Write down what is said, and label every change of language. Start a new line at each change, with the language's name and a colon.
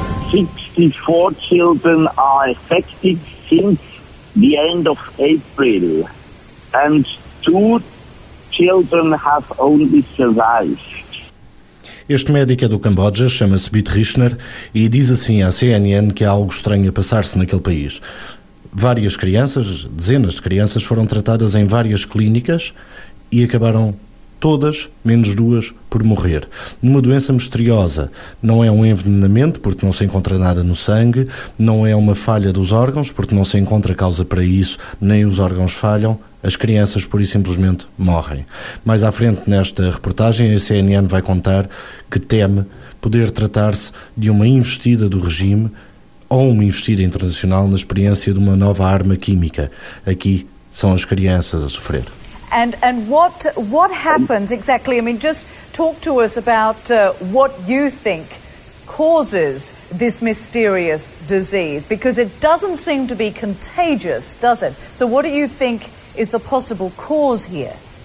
English: 64 children are affected since the end of April, and two children have only survived.
Portuguese: Este médico é do Camboja, chama-se Beat Richner, e diz assim à CNN que há algo estranho a passar-se naquele país. Várias crianças, dezenas de crianças, foram tratadas em várias clínicas e acabaram todas, menos duas, por morrer. Numa doença misteriosa. Não é um envenenamento, porque não se encontra nada no sangue, não é uma falha dos órgãos, porque não se encontra causa para isso, nem os órgãos falham. As crianças, pura e simplesmente, morrem. Mais à frente, nesta reportagem, a CNN vai contar que teme poder tratar-se de uma investida do regime ou uma investida internacional na experiência de uma nova arma química. Aqui são as crianças a sofrer.
English: And what happens exactly? I mean, just talk to us about what you think causes this mysterious disease, because it doesn't seem to be contagious, does it? So what do you think is the possible cause here?